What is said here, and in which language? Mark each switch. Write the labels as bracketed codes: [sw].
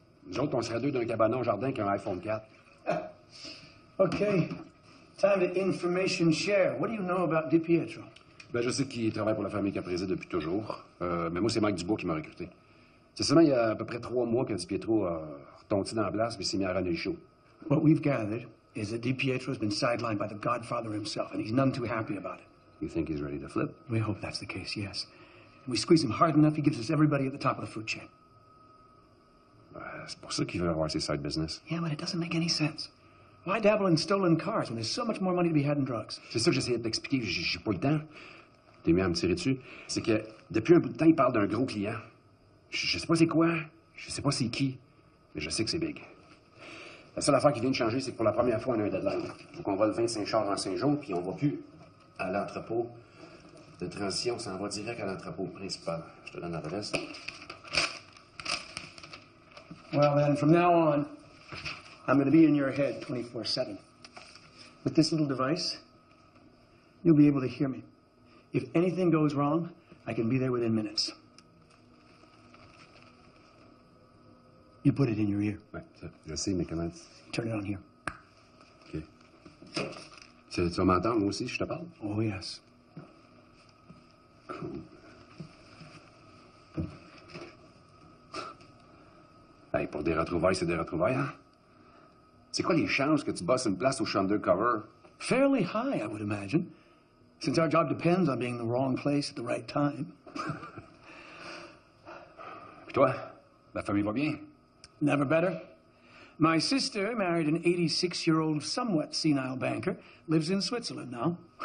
[fr] Nous autres, on serait deux d'un cabanon au jardin qui a un iPhone 4. [en] OK. Time to information share. What do you know about DiPietro? [fr] Ben, je sais qu'il travaille pour la famille Caprese depuis toujours. Mais moi, c'est Mike Dubois qui m'a recruté. C'est seulement il y a à peu près 3 mois que DiPietro a retonté dans la place et s'est mis à ramener le show. [en] What we've gathered is that DiPietro has been sidelined by the Godfather himself, and he's none too happy about it. You think he's ready to flip? We hope that's the case, yes. If we squeeze him hard enough, he gives us everybody at the top of the food chain. [fr] C'est pour ça qu'il veut avoir ses side business. [en] Yeah, but it doesn't make any sense. Why dabble in stolen cars when there's so much more money to be had in drugs? [fr] C'est ça que j'essayais de t'expliquer, j'ai pas le temps. T'es mis à me tirer dessus. C'est que depuis un bout de temps, il parle d'un gros client. Je sais pas c'est quoi, je sais pas c'est qui, mais je sais que c'est big. La seule affaire qui vient de changer, c'est que pour la première fois, on a un deadline. Donc on vole 25 chars en 5 jours, puis on va plus à l'entrepôt de transition. On s'en va direct à l'entrepôt principal. Je te donne l'adresse. [en] Well then, from now on, I'm going to be in your head 24/7. With this little device, you'll be able to hear me. If anything goes wrong, I can be there within minutes. You put it in your ear. [fr] Je sais, mais comment... [en] Turn it on here. OK. [fr] Tu vas m'entendre, moi aussi, je te parle? [en] Oh, yes. Cool. [fr] Hey, pour des retrouvailles, c'est des retrouvailles, hein? C'est quoi les chances que tu bosses une place au champ undercover? [en] Fairly high, I would imagine. Since our job depends on being in the wrong place at the right time. [fr] Puis toi, la famille va bien? [en] Never better. My sister married an 86-year-old, somewhat senile banker, lives in Switzerland now.